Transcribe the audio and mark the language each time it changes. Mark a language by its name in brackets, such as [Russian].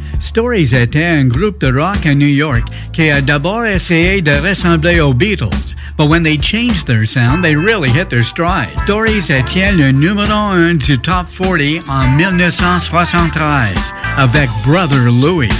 [French] Stories était un groupe de rock à New York qui a d'abord essayé de ressembler aux Beatles. [English] But when they changed their sound, they really hit their stride. [French] Stories atteint le numéro 1 du Top 40 en 1973 avec Brother Louie.